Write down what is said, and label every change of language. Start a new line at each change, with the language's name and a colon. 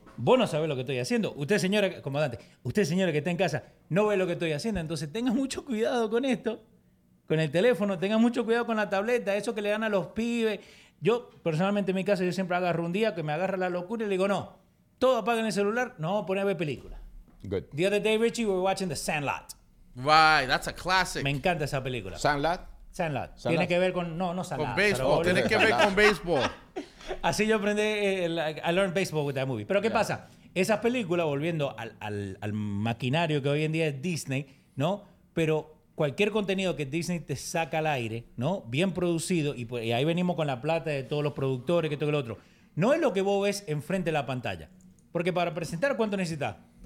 Spanish: Vos no sabés lo que estoy haciendo. Usted, señora, comandante, usted, señora que está en casa, no ve lo que estoy haciendo. Entonces tenga mucho cuidado con esto, con el teléfono, tenga mucho cuidado con la tableta, eso que le dan a los pibes. Yo, personalmente, en mi casa, yo siempre agarro un día que me agarra la locura y le digo, no, todo apaga en el celular, no, poner a ver película.
English: Good. The other day, Richie, we were watching The Sandlot. Right, that's a classic.
Spanish: Me encanta esa película. ¿Sandlot? Sandlot. Tiene que ver con, no Sandlot. Con baseball, tiene que ver con baseball. Así yo aprendí,
English: I learned baseball with that movie.
Spanish: Pero, ¿qué pasa? Esas películas, volviendo al maquinario que hoy en día es Disney, ¿no? Pero... cualquier contenido que Disney te saca al aire, ¿no? Bien producido, y ahí venimos con la plata de todos los productores, que todo el otro. No es lo que vos ves enfrente de la pantalla. Porque para presentar, ¿cuánto necesitas?